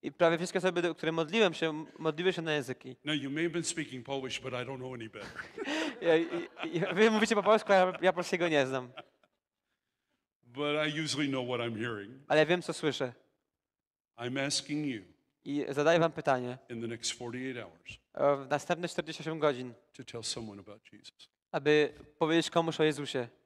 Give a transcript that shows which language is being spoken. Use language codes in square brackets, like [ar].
[pl] I prawie wszystkie osoby, do których modliłem się na języki. [en] Now you may have been speaking Polish, but I don't know any better. [pl] Wy mówicie po polsku, ja polskiego nie znam. [en] But I usually know what I'm hearing. [pl] Ale wiem, co słyszę. [en] I'm asking you. [pl] I zadaję wam pytanie. [en] In the next 48 hours. [pl] W następne 48 godzin. [en] To tell someone about Jesus. [pl] Aby powiedzieć komuś o Jezusie.